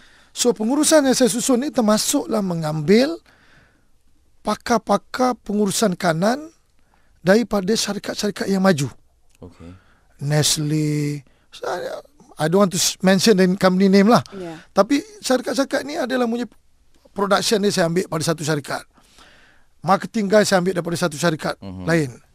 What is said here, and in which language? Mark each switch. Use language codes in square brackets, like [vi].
[ms] So pengurusan yang saya susun ni termasuklah mengambil pakar-pakar pengurusan kanan daripada syarikat-syarikat yang maju. [en] Nestle, so I don't want to mention the company name lah. [ms] Tapi syarikat-syarikat ni adalah punya production ni saya ambil pada satu syarikat. Marketing guy saya ambil daripada satu syarikat lain.